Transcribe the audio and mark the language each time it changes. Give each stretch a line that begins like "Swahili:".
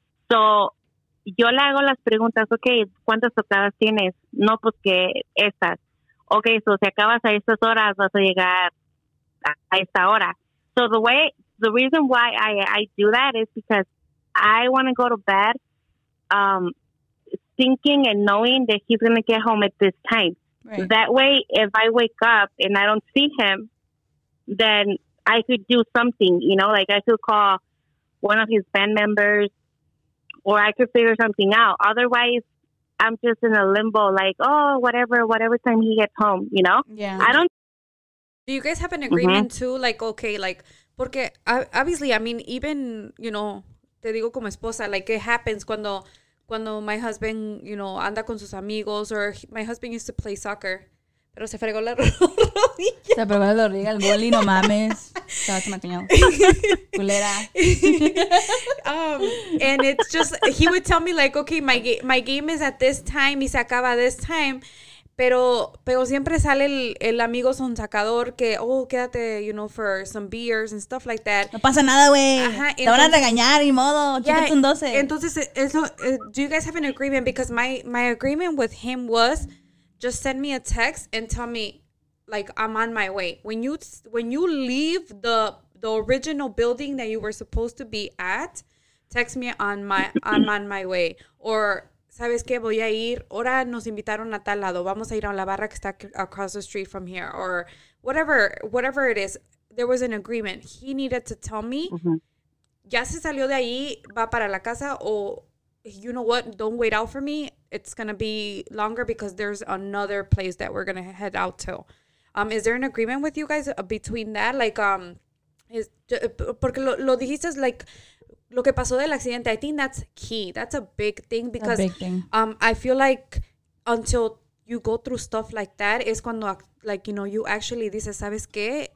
Spanish: So, yo le hago las preguntas, okay, ¿cuántas tocadas tienes? No, pues que estas. Okay, so si acabas a estas horas, vas a llegar a esta hora.
English: So the reason why I do that is because I want to go to bed thinking and knowing that he's going to get home at this time. Right. That way, if I wake up and I don't see him, then I could do something, you know, like I could call one of his band members or I could figure something out. Otherwise, I'm just in a limbo, like, oh, whatever time he gets home, you know? Yeah. I don't. Do you guys have an agreement too? Like, okay, like, porque obviously, I mean, even, you know,
Spanish: te digo como esposa,
English: like, it happens cuando my husband, you know,
Spanish: anda con sus amigos,
English: or my husband used to play soccer.
Spanish: Pero se fregó la rodilla. Se fregó la rodilla, el gol y no mames. Se va a tomar cañón. Culera.
English: And it's just, he would tell me like, okay, my game is at this time
Spanish: y se acaba
English: this time.
Spanish: Pero siempre sale el amigo sonsacador que, oh, quédate,
English: you know, for some beers and stuff like that.
Spanish: No pasa nada, güey. Te van a regañar, ni modo. Yeah, chícate un 12. Entonces, eso,
English: do you guys have an agreement? Because my agreement with him was, just send me a text and tell me, like, I'm on my way. When you leave the original building that you were supposed to be at, text me I'm on my way.
Spanish: Or, ¿sabes qué? Voy a ir. Ahora nos invitaron a tal lado. Vamos a ir a la barra que está
English: across the street from here. Or whatever it is, there was an agreement. He needed to tell me,
Spanish: ya se salió de ahí, va para la casa o...
English: You know what? Don't wait out for me. It's going to be longer because there's another place that we're going to head out to. Is there an agreement with you guys between that? Like,
Spanish: porque lo dijiste,
English: like,
Spanish: lo que pasó del accidente,
English: I think that's key. That's a big thing because I feel like until you go through stuff like that is cuando, like, you know, you actually
Spanish: dices, ¿sabes qué?